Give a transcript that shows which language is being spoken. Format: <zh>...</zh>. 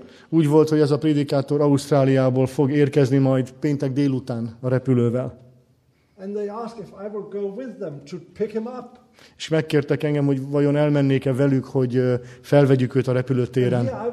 <hu>Úgy volt, hogy ez a prédikátor Ausztráliából fog érkezni majd péntek délután a repülővel.</hu> <en>And they ask if I will go with them to pick him up.</en> <hu>És megkértek engem, hogy vajon elmennék-e velük, hogy felvegyük őt a repülőtéren.</hu>